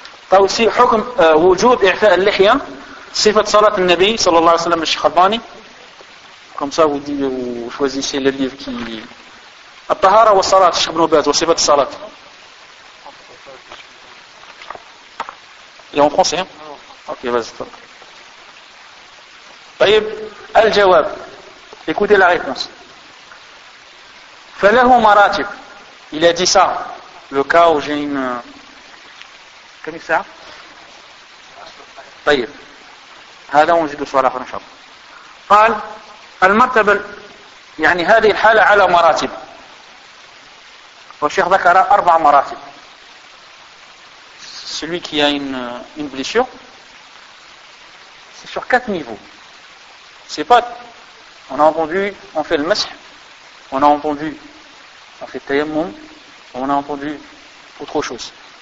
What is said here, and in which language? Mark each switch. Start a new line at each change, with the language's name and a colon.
French: T'as aussi
Arabic: حكم وجود إعفاء اللحية صفة صلاة النبي صلى الله عليه وسلم الشيخ الباني
French: comme ça vous dites vous choisissez le livre qui
Arabic: الطهارة والصلاة الشيخ ابن باز وصفة الصلاة
French: et en français hein? ok vas-y
Arabic: طيب الجواب
French: écoutez la réponse
Arabic: فله مراتب
French: il a dit ça le cas où j'ai une
Arabic: طيب هذا موجود سؤال آخر إن شاء الله قال المرتبة يعني هذه الحالة على مراتب والشيخ ذكر أربع مراتب
French: celui qui a une blessure c'est sur quatre niveaux c'est pas on a entendu on fait le masah on a entendu on fait tayammum on a entendu autre chose